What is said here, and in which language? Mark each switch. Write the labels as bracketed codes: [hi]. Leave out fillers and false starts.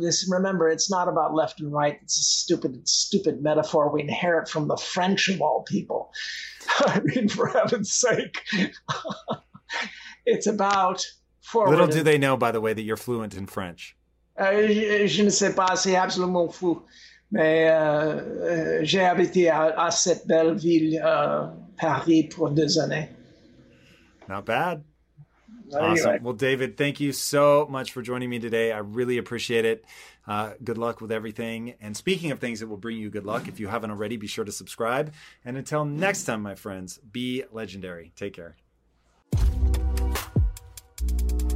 [en] This, remember, it's not about left and right. It's a stupid, stupid metaphor we inherit from the French of all people. I mean, for heaven's sake. It's about... forward. Little do they know, by the way, that you're fluent in French. [fr] Je ne sais pas, c'est absolument fou. Mais j'ai habité à cette belle ville, Paris, pour 2 années. [en] Not bad. Awesome. Well, David, thank you so much for joining me today. I really appreciate it. Good luck with everything. And speaking of things that will bring you good luck, if you haven't already, be sure to subscribe. And until next time, my friends, be legendary. Take care.